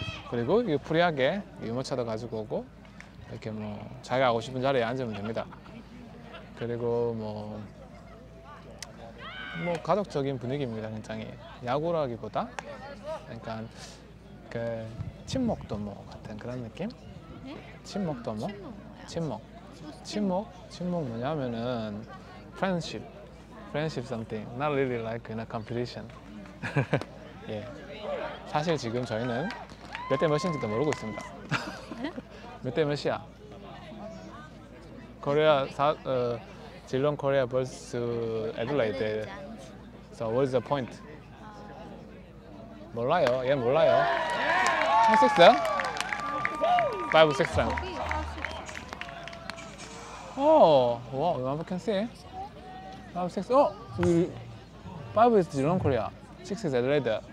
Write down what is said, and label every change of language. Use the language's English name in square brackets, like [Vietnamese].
[Korean] 그리고 이 프리하게 유모차도 가지고 오고. 이렇게 뭐 자기가 하고 싶은 자리에 앉으면 됩니다. 그리고 뭐 가족적인 분위기입니다. 굉장히 야구라기보다 그러니까 그 친목도 뭐 같은 그런 느낌. 친목도 뭐 친목 뭐냐면은 [English] friendship something not really like in a competition. [Korean] 예. 사실 지금 저희는 몇 대 몇인지도 모르고 있습니다. 몇 대 몇이야? 코리아 질롱 코리아 vs 애들레이드. [English] So what is the point? [Korean] 몰라요. 얘 몰라요. 한 6승? 5, 6승. [English] 오, 와, you can see. [Korean] 5, 6승. 오, 우리 5 is 질롱 코리아, 6 is 애들레이드.